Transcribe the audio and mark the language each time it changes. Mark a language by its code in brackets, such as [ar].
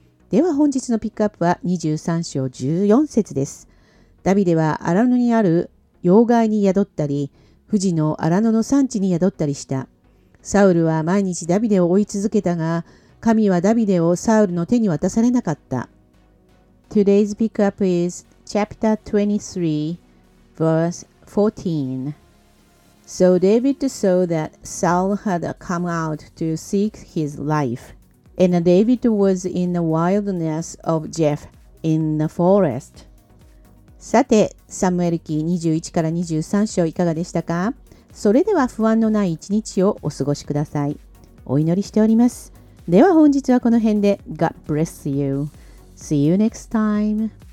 [ja] では本日のピックアップは23章14節です。ダビデは荒野にある要害に宿ったり、富士の荒野の山地に宿ったりした。サウルは毎日ダビデを追い続けたが、神はダビデをサウルの手に渡されなかった。 [en] Today's pick up is chapter 23, verse 14. So David saw that Saul had come out to seek his life. And David was in the wilderness of Jeph in the forest. [ja] さて、サムエル記21から23章いかがでしたか？それでは不安のない一日をお過ごしください。お祈りしております。では本日はこの辺で [en] God bless you. See you next time.